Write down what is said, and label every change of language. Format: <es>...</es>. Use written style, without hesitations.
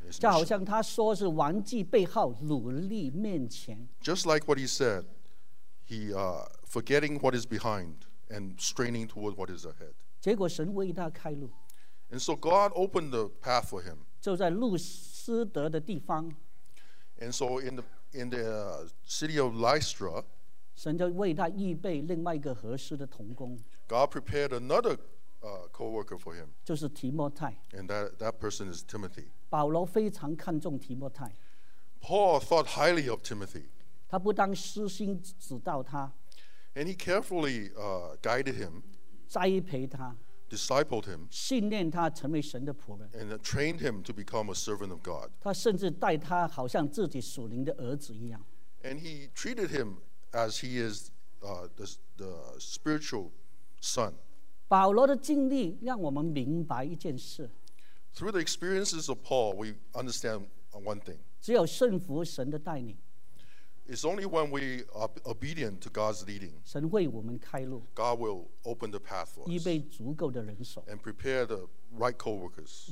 <zh>就好像他说是忘记背后，努力面前。</zh> <en>Just like what he said, he forgetting what is behind and straining toward what is ahead.</en> <zh>结果神为他开路。</zh> <en>And so God opened the path for him.</en> <zh>就在路斯德的地方。</zh> <en>And so in the city of Lystra,</en> <zh>神就为他预备另外一个合适的同工。</zh> <en>God prepared another co-worker for him.</en> <zh>就是提摩太。</zh> <en>And that person is Timothy.</en> <zh>保罗非常看重提摩太。</zh> <en>Paul thought highly of Timothy.</en> <zh>他不但私心指导他。</zh> <en>And he carefully guided him,</en> <zh>栽培他,</zh> <en>discipled him,</en> <zh>训练他成为神的仆人,</zh> <en>and trained him to become a servant of God.</en> <zh>他甚至待他好像自己属灵的儿子一样。</zh> <en>And he treated him as he is the spiritual son.</en> <zh>保罗的经历让我们明白一件事。</zh> <en>Through the experiences of Paul, we understand one thing.</en> <zh>只有顺服神的带领。</zh> <en>It's only when we are obedient to God's leading,</en> <zh>神为我们开路,</zh> <en>God will open the path for us,</en> <zh>预备足够的人手,</zh> <en>and prepare the right co-workers,</en>